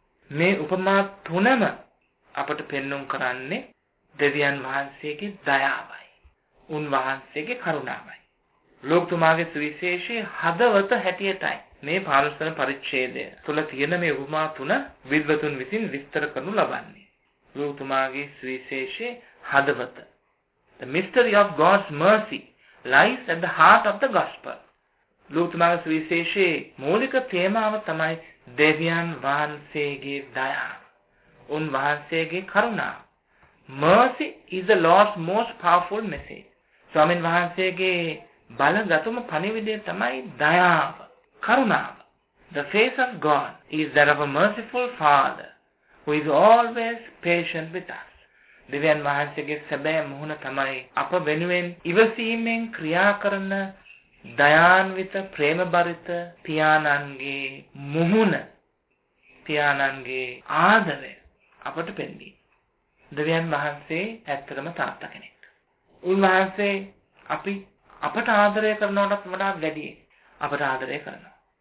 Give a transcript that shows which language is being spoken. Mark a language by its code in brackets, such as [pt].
[si] මේ උපමා තුනම අපට පෙන්නුම් කරන්නේ දෙවියන් වහන්සේගේ දයාවයි, උන්වහන්සේගේ කරුණාවයි. ලෝකතුමාගේ සුවිශේෂයේ හදවත හැටියටයි මේ පාරිශ්‍රමික පරිච්ඡේදය තුළ තියෙන මේ උපමා තුන විද්වතුන් විසින් විස්තර කරනු ලබන්නේ. ලෝකතුමාගේ සුවිශේෂයේ හදවත, [en] The mystery of God's mercy lies at the heart of the gospel. [si] ලෝකතුමාගේ සුවිශේෂයේ මූලික තේමාව තමයි දෙවියන් වහන්සේගේ දයාව, උන්වහන්සේගේ කරුණාව. [en] Mercy is the Lord's most powerful message. [si] ස්වාමීන් වහන්සේගේ බලගතුම පණිවිඩය තමයි දයාව, කරුණාව. [en] The face of God is that of a merciful Father who is always patient with us. [si] දෙවියන් වහන්සේගේ සැබෑ මුහුණ තමයි අප වෙනුවෙන් ඉවසීමෙන් ක්‍රියා කරන දයාන්විත ප්‍රේමබරිත පියාණන්ගේ මුහුණ, පියාණන්ගේ ආදරය අපට පෙන්වීම. දෙවියන් වහන්සේ ඇත්තටම තාත්තා කෙනෙක්. උන්වහන්සේ අපි අපට ආදරය කරනවටත් වඩා වැඩි අපට ආදරය කරනවා.